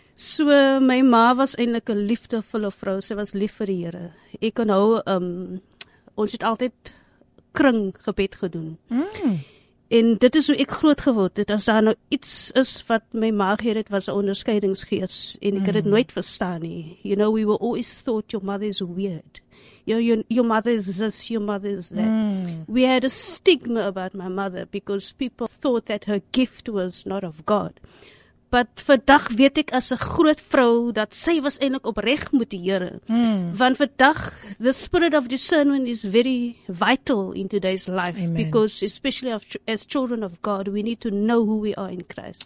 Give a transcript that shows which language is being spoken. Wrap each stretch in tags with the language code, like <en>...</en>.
<af>So my ma was eintlik 'n liefdevolle vrou. Sy was lief vir die Here. Ek kon hou ons het altyd kring gebed gedoen. En dit is hoe ek groot geword het. As daar nou iets is wat my ma gehad het, was 'n onderskeidingsgees. En ek het dit nooit verstaan nie.</af> <en>You know, we were always thought your mother is weird. Your mother is this, your mother is that. We had a stigma about my mother because people thought that her gift was not of God.</en> <af>But vandag weet ek as 'n groot vrou dat sy was eintlik opreg met die Here. Want vandag</af> <en>the spirit of discernment is very vital in today's life. Amen. Because especially as children of God, we need to know who we are in Christ.</en>